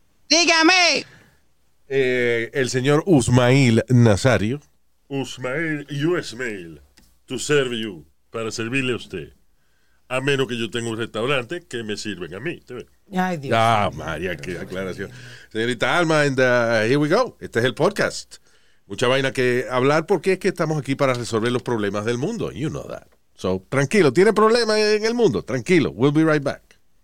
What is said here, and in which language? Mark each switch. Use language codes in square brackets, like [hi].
[es] Dígame. El señor Usmail Nazario. Usmail, Usmail. [en] To serve you. [es] Para servirle a usted. A menos que yo tenga un restaurante que me sirven a mí. ¿Te ves? Ay, Dios. Ah, María, qué Dios aclaración. Dios. [en] Señorita Alma, and here we go. [es] Este es el podcast. Mucha vaina que hablar porque es que estamos aquí para resolver los problemas del mundo. [en] You know that. [es] So, tranquilo. ¿Tiene problemas en el mundo? Tranquilo. [en] We'll be right back.